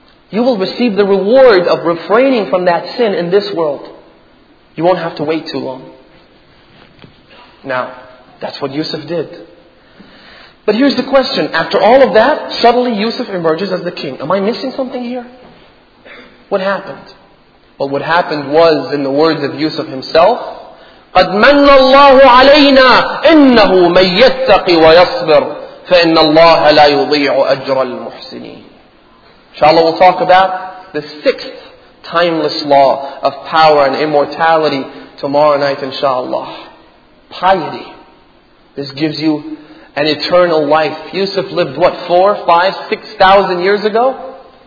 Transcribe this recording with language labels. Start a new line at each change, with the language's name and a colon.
English: You will receive the reward of refraining from that sin in this world. You won't have to wait too long. Now, that's what Yusuf did. But here's the question. After all of that, suddenly Yusuf emerges as the king. Am I missing something here? What happened? Well, what happened was, in the words of Yusuf himself,
Arabic: قَدْ مَنَّ اللَّهُ عَلَيْنَا إِنَّهُ مَنْ يَتَّقِ وَيَصْبِرُ فَإِنَّ اللَّهَ لَا يُضِيعُ أَجْرَ الْمُحْسِنِينَ.
English: Inshallah, we'll talk about the 6th timeless law of power and immortality tomorrow night, inshallah. piety. This gives you an eternal life. Yusuf lived, what, 4, 5, 6,000 years ago?